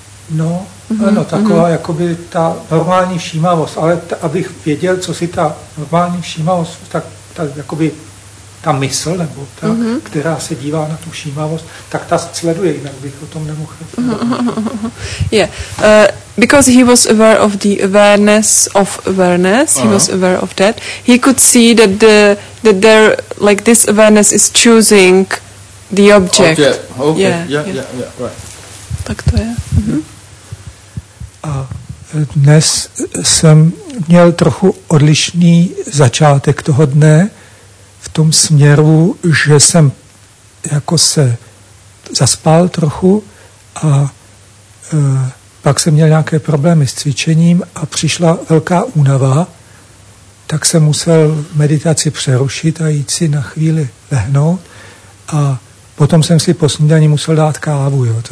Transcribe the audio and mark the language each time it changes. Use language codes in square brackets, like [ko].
[cs] No, mm-hmm, ano, taková mm-hmm, jakoby ta normální všímavost, ale abych věděl, co si ta normální všímavost, tak ta, jakoby ta mysl, nebo ta, mm-hmm, která se dívá na tu všímavost, tak ta sleduje, jinak bych o tom nemohl. Mm-hmm. [en] Yeah, because he was aware of the awareness of awareness, he was aware of that, he could see that the, that there, like this awareness is choosing the object. Object. Okay. Yeah, yeah, yeah, yeah, yeah, right. [cs] Tak to je. Mm-hmm. A dnes jsem měl trochu odlišný začátek toho dne v tom směru, že jsem jako se zaspal trochu a pak jsem měl nějaké problémy s cvičením a přišla velká únava, tak jsem musel meditaci přerušit a jít si na chvíli lehnout a potom jsem si po snídaní musel dát kávu, jo.